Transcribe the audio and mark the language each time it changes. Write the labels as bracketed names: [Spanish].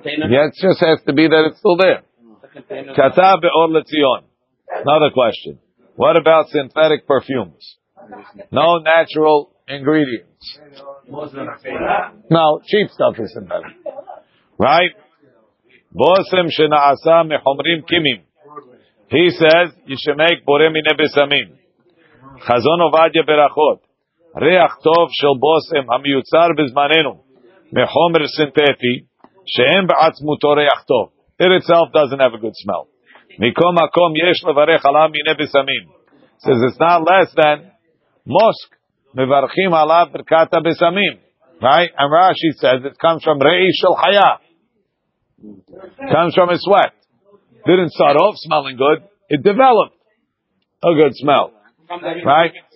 [English] Yeah, it just has to be that it's still there. Katab or Letzion. Another question. What about synthetic perfumes? No natural ingredients. No, cheap stuff is synthetic. Right? [Hebrew] בוסם שנעשה מחומרים קימים. [English] He says, you should make [Hebrew] בורא מן הבשמים. חזון עובדיה ברכות. ריח טוב של בוסם המיוצר בזמננו מחומר סינתטי שאין בעצמותו ריח טוב. [English] It itself doesn't have a good smell. [Hebrew] מכל מקום יש לברך עליו מן הבשמים. [English] Says it's not less than [Hebrew] מוסק מברכים עליו ברכת הבשמים. [English] Right? And Rashi says it comes from [Hebrew] ראי של חיה. [English] Comes from his sweat. Didn't start off smelling good. It developed a good smell. Right?